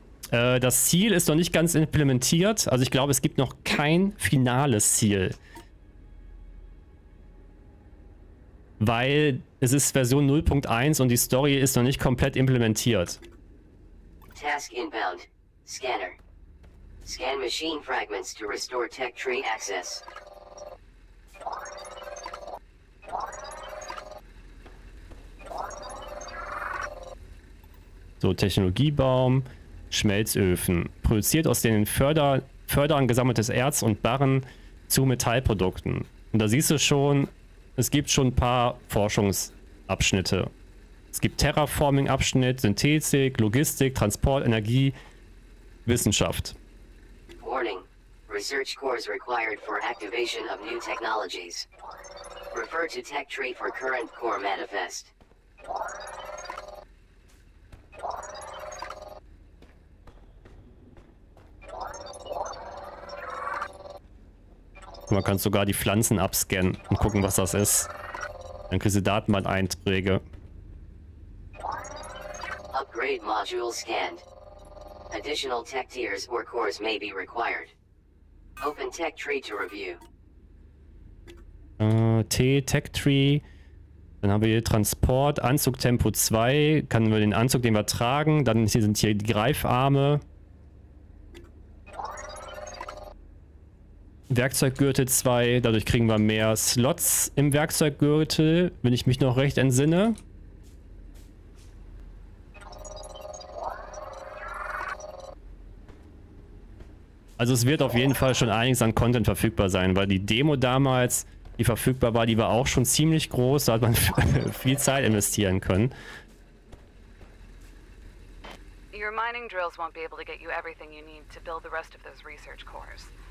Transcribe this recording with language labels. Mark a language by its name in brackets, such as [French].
[German] Das Ziel ist noch nicht ganz implementiert. Also ich glaube, es gibt noch kein finales Ziel. Weil es ist Version 0.1 und die Story ist noch nicht komplett implementiert. [English] Task inbound. Scanner. Scan machine fragments to restore tech tree access. [German] So, Technologiebaum, Schmelzöfen. Produziert aus den fördern gesammeltes Erz und Barren zu Metallprodukten. Und da siehst du schon, es gibt schon ein paar Forschungsabschnitte. Es gibt Terraforming-Abschnitt, Synthetik, Logistik, Transport, Energie, Wissenschaft. [English] Warning. Research cores required for activation of new technologies. Refer to tech tree for current core manifest. [German] Man kann sogar die Pflanzen abscannen und gucken, was das ist. Dann kriegst du Datenbank-Einträge. [English] Upgrade module scanned. Additional tech tiers or cores may be required. Open tech tree to review. Tech tree. [German] Dann haben wir hier Transport, Anzug Tempo 2. Können wir den Anzug, den wir tragen? Dann sind hier die Greifarme. Werkzeuggürtel 2, dadurch kriegen wir mehr Slots im Werkzeuggürtel, wenn ich mich noch recht entsinne. Also es wird auf jeden Fall schon einiges an Content verfügbar sein, weil die Demo damals, die verfügbar war, die war auch schon ziemlich groß, da hat man viel Zeit investieren können. [English] Your mining drills won't be able to get you everything you need to build the rest of those research cores.